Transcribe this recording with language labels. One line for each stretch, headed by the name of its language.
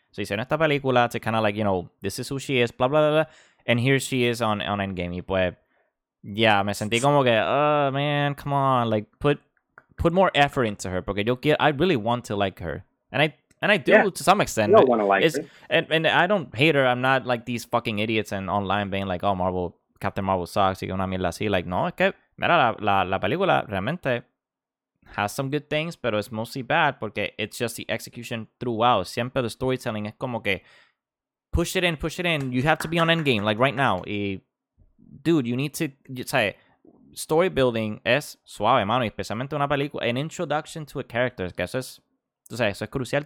English: So he said in esta película to kind of like, you know, this is who she is, blah blah blah, blah, and here she is on Endgame.
Spanish: Y pues,
English: yeah,
Spanish: me sentí como que,
English: oh man, come on, like put more effort into her
Spanish: porque yo quiero,
English: I really want to like her, and I do yeah. To some extent. You don't want to like her, and I don't hate her. I'm not like these fucking idiots and online being like, oh, Marvel, Captain Marvel sucks.
Spanish: Y que una mierda así.
English: Like,
Spanish: no, es que mira la película realmente.
English: Has some good things, but it's mostly bad because it's just the execution throughout. Siempre the storytelling is
Spanish: como que
English: push it in. You have to be on Endgame, like right now. Dude, you need to. Story building
Spanish: es suave, mano. Especialmente una película,
English: an introduction to a character.
Spanish: Que eso es crucial.